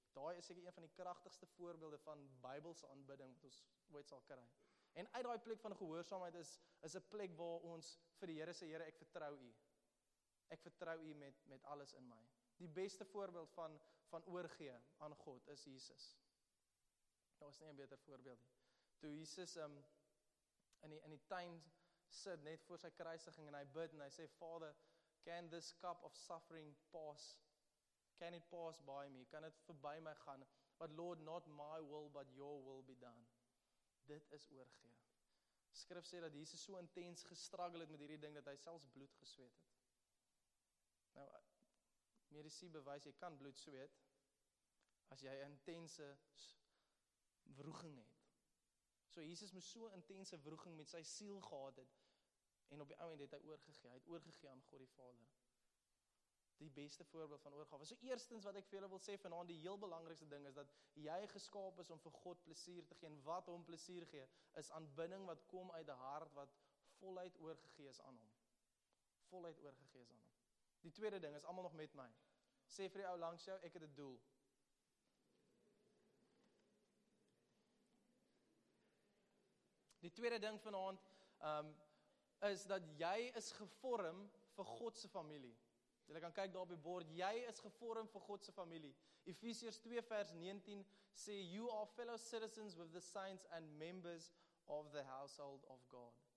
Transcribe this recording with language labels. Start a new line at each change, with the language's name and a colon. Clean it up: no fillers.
Afrikaans: Daai is seker een van die kragtigste voorbeelde van Bybelse aanbidding wat ons ooit sal kry. En uit daai plek van gehoorsaamheid is 'n plek waar ons vir die Here sê, Here, ek vertrouw u. Ek vertrouw u met alles in my. Die beste voorbeeld van oorgee aan God is Jesus. Daar is nie 'n beter voorbeeld nie. Toe Jesus in die tuin sit net voor sy kruisiging en hy bid en hy sê, Vader,
English: can this cup of suffering pass? Can it pass by me?
Afrikaans: Kan het voorbij my gaan?
English: But Lord, not my will, but your will be done.
Afrikaans: Dit is oorgee. Skrif sê dat Jesus so intens gestruggle het met hierdie ding, dat hy selfs bloed gesweet het. Nou, medici bewys, jy kan bloed sweet, as jy intense wroeging het. So Jesus moes so intense wroeging met sy siel gehad het, en op die ouwe het hy oorgegee, hy het oorgegee aan God die Vader. Die beste voorbeeld van oorgawe. So eerstens wat ek vir julle wil sê vanaan, die heel belangrikste ding is dat jy geskaap is om vir God plesier te gee, en wat hom plesier gee, is aanbidding wat kom uit die hart, wat voluit oorgegee is aan hom. Voluit oorgegee is aan hom. Die tweede ding is allemaal nog met my. Sê vir die ou langs jou, ek het het doel. Die tweede ding vanavond is dat jy is gevorm vir Godse familie. Jy kan kyk daar op die bord, jy is gevorm vir Godse familie. Efesiërs 2 vers 19 sê,
English: you are fellow citizens with the saints and members of the household of God.